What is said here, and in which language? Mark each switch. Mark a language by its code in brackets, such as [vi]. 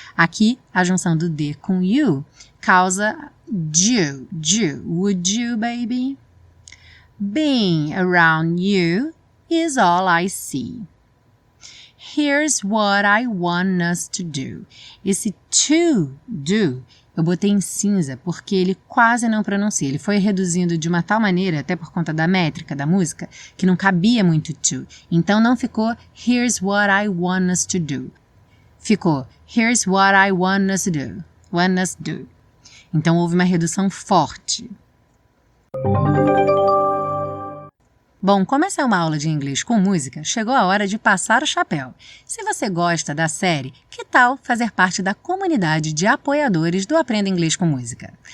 [pt] Aqui, a junção do D com you causa do. [en] Would you, baby? Being around you is all I see. Here's what I want us to do. [pt] Esse [en] to do [pt] eu botei em cinza porque ele quase não pronuncia. Ele foi reduzindo de uma tal maneira, até por conta da métrica da música, que não cabia muito [en] to. [pt] Então não ficou [en] here's what I want us to do. [pt] Ficou [en] here's what I want us to do. Want us to do. [pt] Então houve uma redução forte. Bom, como essa é uma aula de inglês com música, chegou a hora de passar o chapéu. Se você gosta da série, que tal fazer parte da comunidade de apoiadores do Aprenda Inglês com Música?